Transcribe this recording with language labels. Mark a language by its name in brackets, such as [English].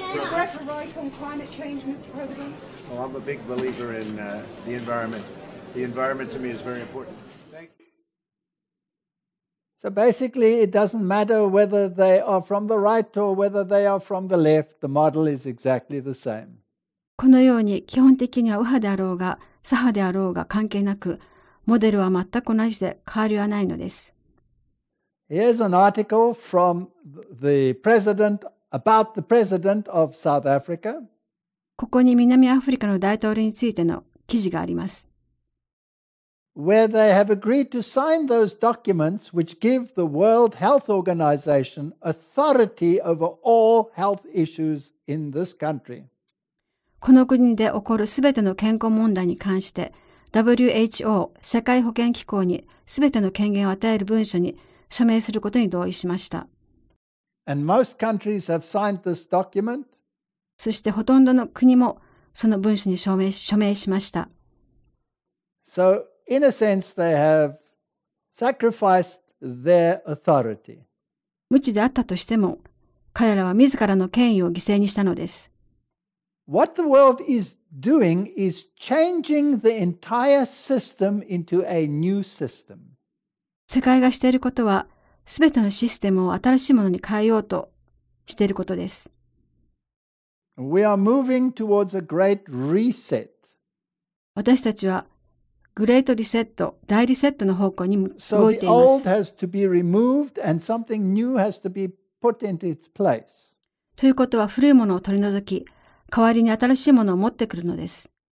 [English] Trump? Is Brett right on climate change, Mr. President? Well, I'm a big believer in the environment. The environment to me is very important. Thank you. So basically, it doesn't matter whether they are from the right or whether they are from the left. The model is exactly the same. [Japanese] このように基本的には右派であろうが左派であろうが関係なく、モデルは全く同じで変わりはないのです。 [English] Here's an article from the president about the president of South Africa. [Japanese] ここに南アフリカの大統領についての記事があります。 [English] Where they have agreed to sign those documents which give the World Health Organization authority over all health issues in this country. [Japanese] この国で起こるすべての健康問題に関して、WHO 世界保健機構にすべての権限を与える文書に署名することに同意しました。 [English] And most countries have signed this document. [Japanese] そしてほとんどの国もその文書に署名しました。 [English] So, in a sense, they have sacrificed their authority. [Japanese] 無知であったとしても、彼らは自らの権威を犠牲にしたのです。 [English] What the world is doing is changing the entire system into a new system. [Japanese] 世界がしていることは、すべてのシステムを新しいものに変えようとしていることです。 [English] We are moving towards a great reset. [Japanese] 私たちはグレートリセット、大リセットの方向に動いています。 [English] So the old has to be removed and something new has to be put into its place. [Japanese] ということは古いものを取り除き、代わりに新しいものを持ってくるのです。